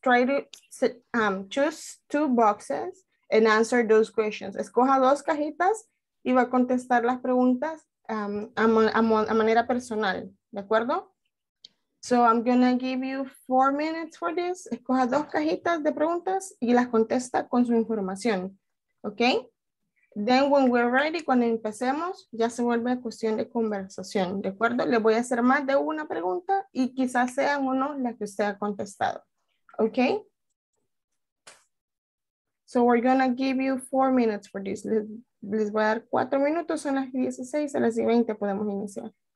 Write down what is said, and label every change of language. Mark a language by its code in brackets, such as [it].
[en] Try to choose two boxes and answer those questions. [es] Escoja dos cajitas y va a contestar las preguntas a manera personal, ¿de acuerdo? [en] So I'm gonna give you 4 minutes for this. [es] Escoja dos cajitas de preguntas y las contesta con su información, okay? [en] Then when we're ready, [es] cuando empecemos, ya se vuelve cuestión de conversación, ¿de acuerdo? Le voy a hacer más de una pregunta y quizás sean o no las que usted ha contestado, ¿ok? [en] So we're gonna give you 4 minutes for this. [es] Les voy a dar 4 minutos, son las 16, a las 20 podemos iniciar.